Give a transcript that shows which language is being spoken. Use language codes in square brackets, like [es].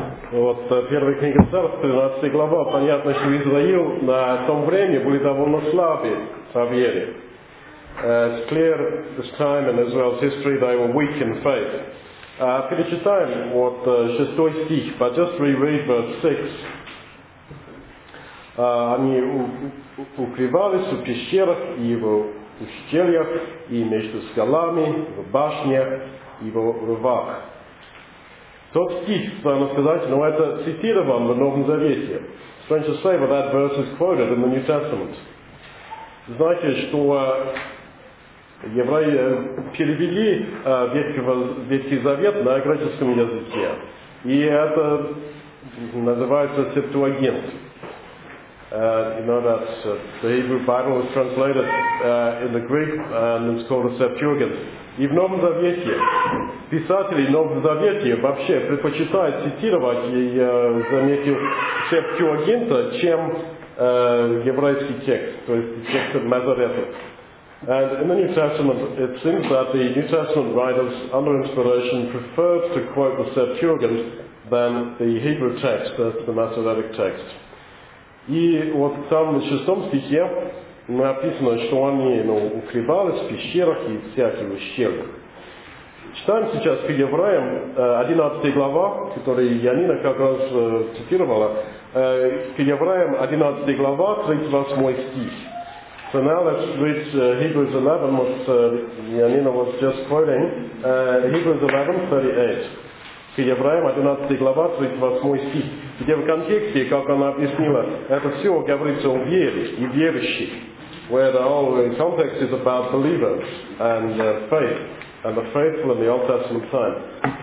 [ru] Вот первая книга Царств, 13 глава, понятно, что Израил на том времени был довольно слабый по вере. [en] It's clear this time in Israel's history they were weak in faith. [ru] Перечитаем вот шестой стих, [en] but just reread verse 6. [ru] Они укрывались в пещерах и в ущельях, и между скалами, в башнях и в рвах. Тот стих, странно сказать, но это цитирован в Новом Завете. [en] Strange to say, but that verse is quoted in the New Testament. [ru] Знаете, что евреи перевели Ветхий Завет на греческом языке. И это называется Септуагинт. [en] You know that the Hebrew Bible was translated in the Greek and it's called a Septuagint. [ru] И в Новом Завете писатели Нового Завета вообще предпочитают цитировать, и я заметил, Септуагинта, чем еврейский текст, то есть текст Назарета. [en] And in the New Testament, it seems that the New Testament writers, under inspiration, preferred to quote the Septuagint than the Hebrew text, the Masoretic text. [ru] И вот там на шестом стихе написано, что они, ну, укрывались в пещерах и всяких ущельях. Читаем сейчас к евреям 11 глава, которую Янина как раз цитировала. К евреям 11 глава, 38 стих. [en] So now let's read Hebrews 11, what Yanina was just quoting. Hebrews 11, 38. [ru] К евреям 11 глава, 38 стих. Где в контексте, как она объяснила, это все говорится о вере и верующих. [en] Where the whole context is about believers and faith, and the faithful in the Old Testament time.